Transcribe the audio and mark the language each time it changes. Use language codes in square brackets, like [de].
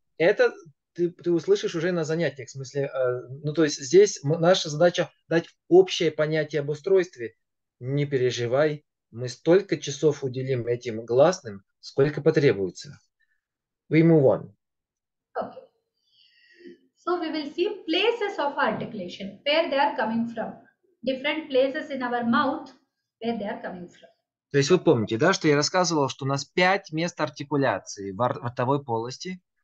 [ru] это ты услышишь уже на занятиях, в смысле, ну то есть здесь наша задача дать общее понятие об устройстве. Не переживай, мы столько часов уделим этим гласным, сколько потребуется. [en] We move on. So we will see places of articulation, where they are coming from. Different places in our mouth, where they are coming from. [ru] То есть вы помните, да, что я рассказывал, что у нас пять мест артикуляции в ротовой полости.